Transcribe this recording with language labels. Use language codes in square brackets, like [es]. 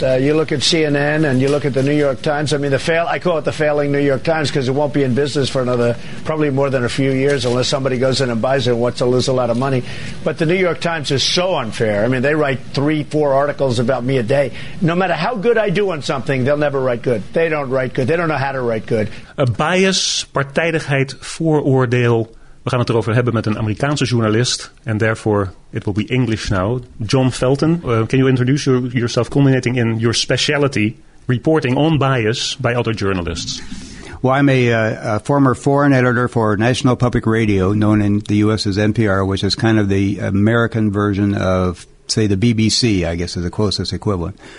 [en] You look at CNN and you look at the New York Times. I mean, I call it the failing New York Times because it won't be in business for another, probably more than a few years unless somebody goes in and buys it and wants to lose a lot of money. But the New York Times is so unfair. I mean, they write 3-4 articles about me a day. No matter how good I do on something, they'll never write good. They don't write good. They don't know how to write good. [nl] A bias, partijdigheid, vooroordeel. We gaan het erover hebben met een Amerikaanse journalist. [en] And therefore, it will be English now. John Felton, can you introduce yourself, culminating in your specialty, reporting on bias by other journalists? Well, I'm a former foreign editor for National Public Radio, known in the U.S. as NPR, which is kind of the American version of, say, the BBC, I guess, is the closest equivalent.